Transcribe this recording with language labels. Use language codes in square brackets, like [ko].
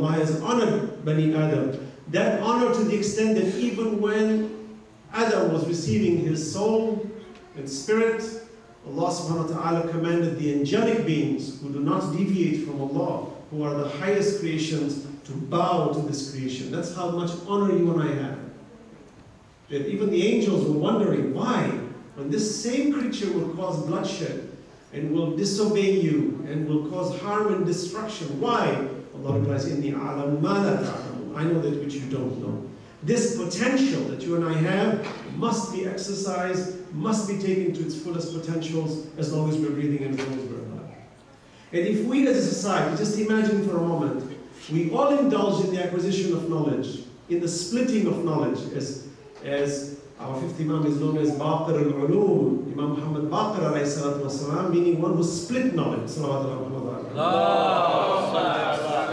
[en] Allah has honored Bani Adam. That honor to the extent that even when Adam was receiving his soul and spirit, Allah subhanahu wa ta'ala commanded the angelic beings who do not deviate from Allah, who are the highest creations, to bow to this creation. That's how much honor you and I have. That even the angels were wondering, why, when this same creature will cause bloodshed and will disobey you and will cause harm and destruction, why? Allah replies, [ar] إِنِّي عَلَمْ مَا لَا تَعْلَمُ. [en] I know that which you don't know. This potential that you and I have must be exercised, must be taken to its fullest potentials as long as we're breathing and as long as we're alive. And if we as a society, just imagine for a moment, we all indulge in the acquisition of knowledge, in the splitting of knowledge, as our fifth Imam is known as Baqir al-Ulum, Imam Muhammad Baqir alayhi salatu wa salam, meaning one who split knowledge, salawat ala Muhammad alayhi wa sallam.